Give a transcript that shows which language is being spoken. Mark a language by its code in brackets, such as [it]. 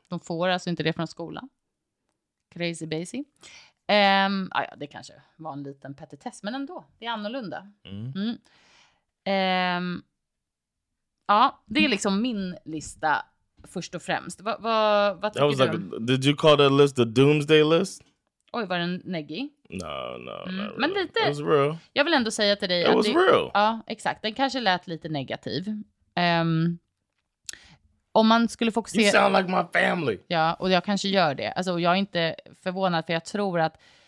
[sv] De får alltså inte det från skolan. Crazy basic. Ja, det kanske var en liten petitess, men ändå, det är annorlunda. Ja, det är liksom min lista först och främst. Vad tycker du? [en] Did you call that list the doomsday list? [sv] Oj, var den neggy? [en] No, [sv] men lite. [en] It was real. [sv] Jag vill ändå säga till dig [en] att it was real. [sv] Ja, exakt. Den kanske lät lite negativ. Om man skulle fokusera... [en] You sound like my family. [sv] Ja, och jag kanske gör det. Alltså, jag är inte förvånad, för jag tror att...